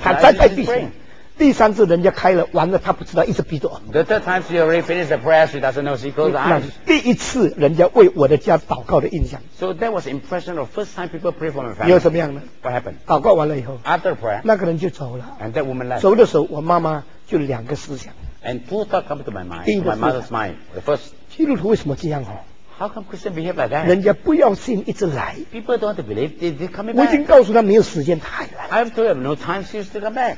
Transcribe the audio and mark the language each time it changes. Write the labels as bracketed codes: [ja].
[zh] 她再在闭眼第三次人家开了完了她不知道一直闭着 [en] The third time she already finished the prayer she doesn't know she closed her eyes [zh] 第一次人家为我的家祷告的印象 [en] So that was the impression of first time people pray for my family [zh] 又怎么样呢 [en] What happened [zh] 祷告完了以后 [en] After prayer [zh] 那个人就走了 [en] And that woman left [zh] 走的时候我妈妈就两个思想 [en] And two thoughts come to my mind 第一个 My mother's mind The first [zh] 基督徒为什么这样哦 [en] How come Christian behave like that? [zh] 人家不要信，一直来。 [en] People don't want to believe. They come back. [zh] 我已经告诉他没有时间，他还来。 [en] I've told him no time. She's still come back.